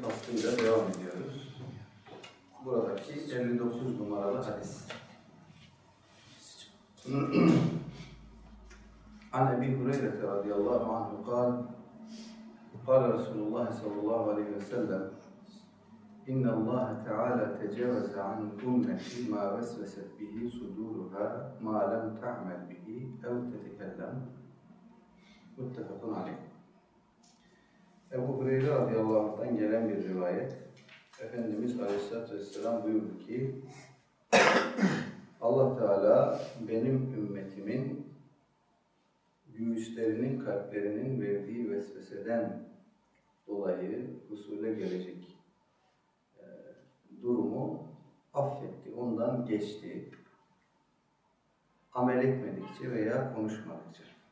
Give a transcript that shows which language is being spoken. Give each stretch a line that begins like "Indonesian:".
Turkish: faslıyla devam ediyoruz. Buradaki 59 numaralı hadis.
Arabic: An Ebi Hureyre radıyallahu anhu قال قال رسول الله صلى الله عليه وسلم إن الله تعالى تجاوز عن أمتي ما وسوست به صدورها ما لم تعمل به أو تتكلم متفق عليه.
Turkish: أبو هريرة رضي الله عنه gelen bir rivayet. Efendimiz Aleyhisselatü Vesselam buyurdu ki Allah Teala benim ümmetimin büyüklerinin kalplerinin verdiği vesveseden dolayı usule gelecek durumu affetti, ondan geçti, amel etmedikçe veya konuşmadıkça.